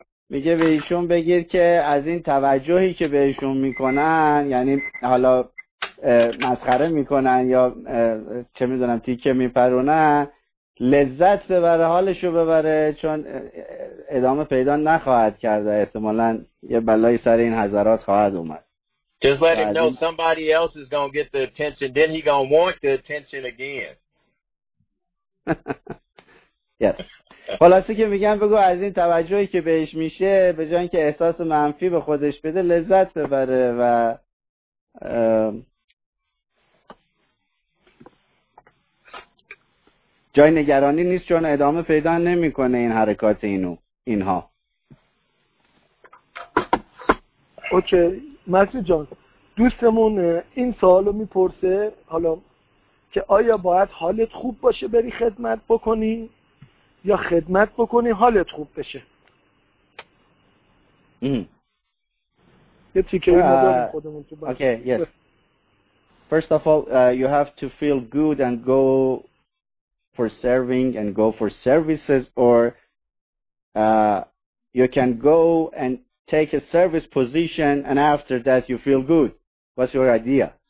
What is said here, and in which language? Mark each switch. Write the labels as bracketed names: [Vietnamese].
[Persian] میگه به ایشون بگیر که از این توجهی که بهشون میکنن، یعنی حالا مسخره میکنن یا چه میدونم تیکه میپرونن، لذت ببره، حالشو ببره، چون ادامه پیدا نخواهد کرد، احتمالاً یه بلایی سر این حضرات خواهد اومد. [English] Just let him know somebody else is going to get the attention, then he's going to want the attention again. Yes. [Persian] خلاصه که میگم بگو از این توجهی که بهش میشه به جای اینکه احساس منفی به خودش بده لذت ببره و جای نگرانی نیست چون ادامه پیدا نمیکنه این حرکات اینها. اوکی مرسی جان. دوستمون این سوالو میپرسه حالا که آیا باید حالت خوب باشه بری خدمت بکنی یا خدمت بکنی حالت خوب بشه. یه تیکه اینو داریم خودمون تو باشه. اوکی یس. [English] First of all, you have to feel good and go for serving and go for services, or you can go and take a service position and after that you feel good. What's your idea?